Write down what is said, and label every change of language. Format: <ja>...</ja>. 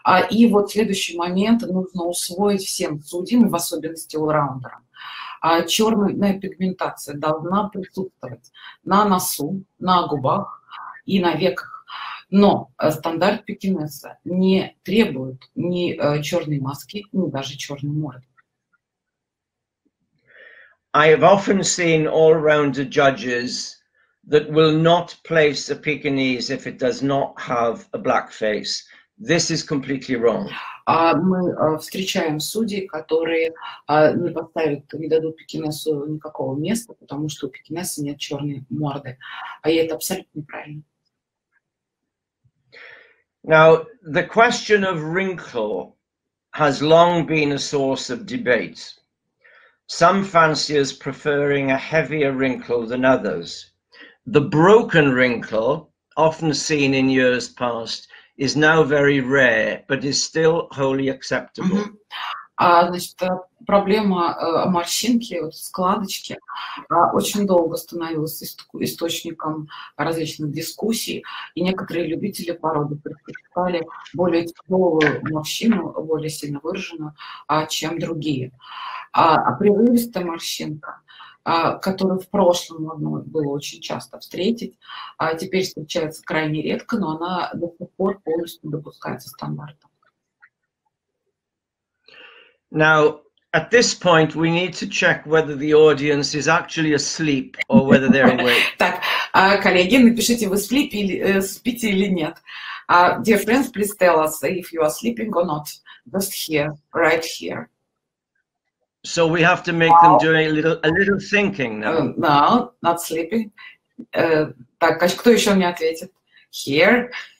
<ru>И вот следующий момент нужно усвоить всем судьям, в особенности олраундерам. Черная пигментация должна присутствовать на носу, на губах и на веках. Но стандарт Пекинеса не требует ни черной маски, ни даже черный морд.</ru> <en>I have often seen all-rounder judges that will not place a Pekinese if it does not have a black face. This is completely wrong.</en> <ru>Мы встречаем судей, которые не поставят, не дадут Пекинесу никакого места, потому что у Пекинеса нет черной морды. А это абсолютно неправильно.</ru> <en>Now, the question of wrinkle has long been a source of debate. Some fanciers preferring a heavier wrinkle than others. The broken wrinkle, often seen in years past, is now very rare, but is still wholly acceptable.</en> <ru>Значит, проблема морщинки, вот складочки, очень долго становилась источником различных дискуссий, и некоторые любители породы предпочитали более тяжелую морщину, более сильно выраженную, чем другие. А прерывистая морщинка, которую в прошлом можно было очень часто встретить, теперь встречается крайне редко, но она до сих пор полностью допускается стандартом.</ru> <en>Now, at this point, we need to check whether the audience is actually asleep or whether they're awake.</en> <ru>Так, коллеги, напишите, вы спите или нет.</ru> <en>Dear friends, please tell us if you are sleeping or not. Just here, right here. So we have to make them do a little thinking now. No, not sleeping.</en> <ru>Так, кто еще мне ответит?</ru> <en>Here.</en>